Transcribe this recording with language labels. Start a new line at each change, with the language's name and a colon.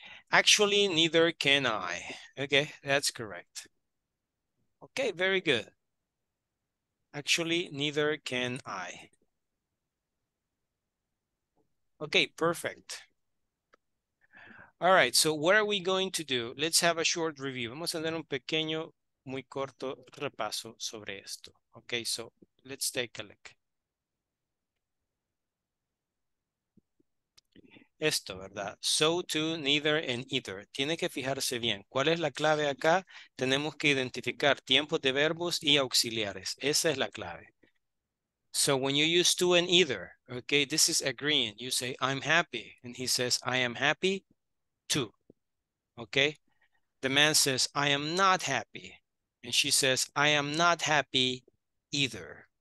English: Actually, neither can I. Okay, that's correct. Okay, very good. Actually, neither can I. Okay, perfect. All right, so what are we going to do? Let's have a short review.
Spanish: Vamos a hacer un pequeño, muy corto repaso sobre esto.
English: Okay, so let's take a look.
Spanish: Esto, ¿verdad?
English: So, to, neither, and either.
Spanish: Tiene que fijarse bien. ¿Cuál es la clave acá? Tenemos que identificar tiempos de verbos y auxiliares. Esa es la clave.
English: So, when you use to and either, okay, this is agreeing. You say, I'm happy. And he says, I am happy too. Okay? The man says, I am not happy. And she says, I am not happy either.